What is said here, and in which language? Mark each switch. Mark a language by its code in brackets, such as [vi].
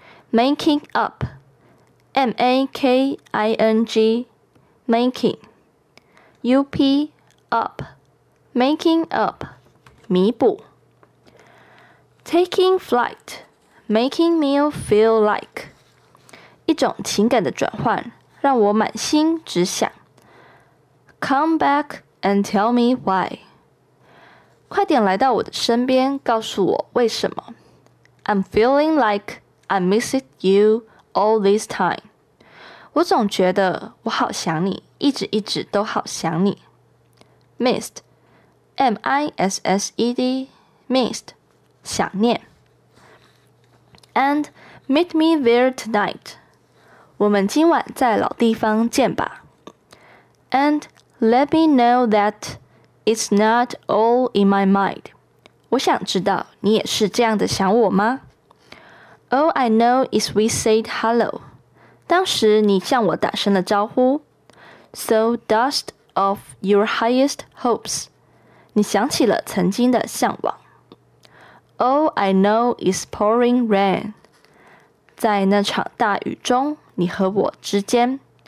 [en] Making up, M-A-K-I-N-G, making, U-P, up, making up, 弥补。 Taking flight, making me feel like, [zh] 一种情感的转换，让我满心只想。 [en] Come back and tell me why, [zh] 快点来到我的身边，告诉我为什么。 [en] I'm feeling like I missed you all this time, [zh] 我总觉得我好想你，一直一直都好想你。 [en] Missed, M-I-S-S-E-D, missed, 想念。 And meet me there tonight, [zh] 我们今晚在老地方见吧。 [en] And let me know that it's not all in my mind, [zh] 我想知道你也是这样的想我吗？ [en] All I know is we said hello. [zh] 当时你向我打声了招呼。 [en] So dust off your highest hopes. [zh] 你想起了曾经的向往。 [en] All I know is pouring rain. [zh] 在那场大雨中，你和我之间。